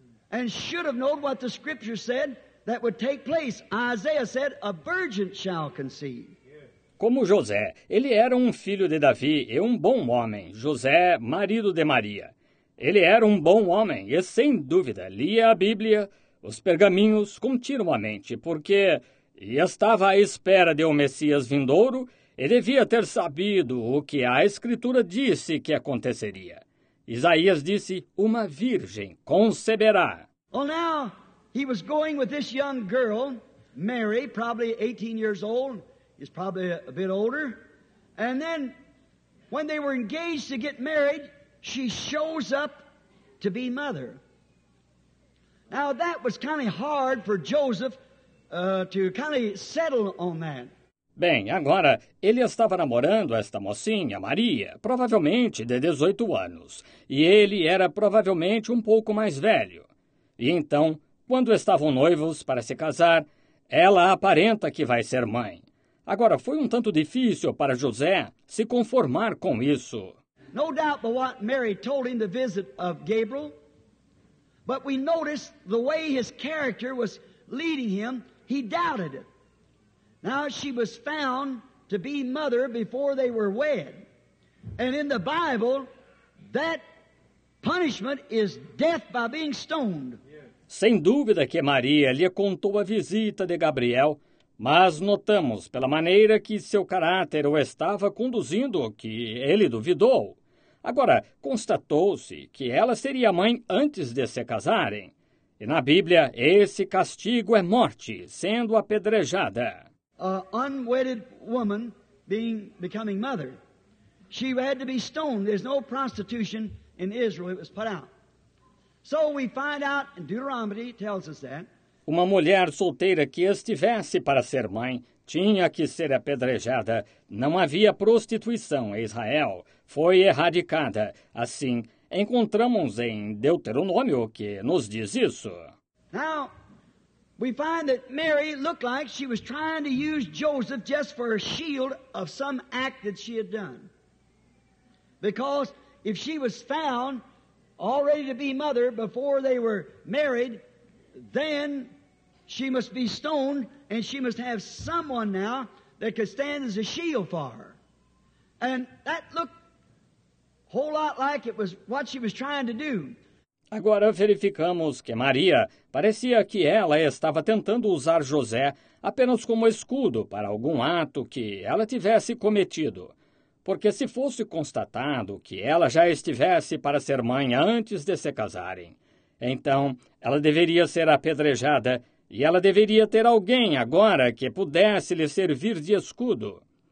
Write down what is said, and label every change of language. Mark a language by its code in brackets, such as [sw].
[en] And should have known what the scripture said that would take place. Isaiah said, a virgin shall conceive. [pt] Como José, ele era um filho de Davi e um bom homem, José, marido de Maria. Ele era um bom homem e, sem dúvida, lia a Bíblia, os pergaminhos, continuamente, porque estava à espera de um Messias vindouro e devia ter sabido o que a Escritura disse que aconteceria. Isaías disse: uma virgem conceberá. [en] Well, now he was going with this young girl, Mary, probably 18 years old. He's probably a bit older. And then, when they were engaged to get married, she shows up to be mother. Now, that was kind of hard for Joseph, to kind of settle on that. [pt] Bem, agora ele estava namorando esta mocinha, Maria, provavelmente de 18 anos, e ele era provavelmente um pouco mais velho. E então, quando estavam noivos para se casar, ela aparenta que vai ser mãe. Agora, foi um tanto difícil para José se conformar com isso. [en] No doubt but what Mary told him the visit of Gabriel. But we noticed the way his character was leading him, he doubted it. Now she was found to be mother before they were wed. And in the Bible, that punishment is death by being stoned. [pt] Sem dúvida que Maria lhe contou a visita de Gabriel, mas notamos pela maneira que seu caráter o estava conduzindo que ele duvidou. Agora, constatou-se que ela seria mãe antes de se casarem. E na Bíblia, esse castigo é morte, sendo apedrejada. [en] Unwedded woman becoming mother. She had to be stoned. There's no prostitution in Israel. It was put out. So we find out, and Deuteronomy tells us that. [pt] Uma mulher solteira que estivesse para ser mãe tinha que ser apedrejada. Não havia prostituição em Israel. Foi erradicada. Assim, encontramos em Deuteronômio que nos diz isso. [en] Now, we find that Mary looked like she was trying to use Joseph just for a shield of some act that she had done. Because if she was found already to be mother before they were married, then she must be stoned, and she must have someone now that could stand as a shield for her. And that looked a whole lot like it was what she was trying to do. [pt] Agora verificamos que Maria parecia que ela estava tentando usar José apenas como escudo para algum ato que ela tivesse cometido. Porque se fosse constatado que ela já estivesse para ser mãe antes de se casarem, então ela deveria ser apedrejada e ela deveria ter alguém agora que pudesse lhe servir de escudo.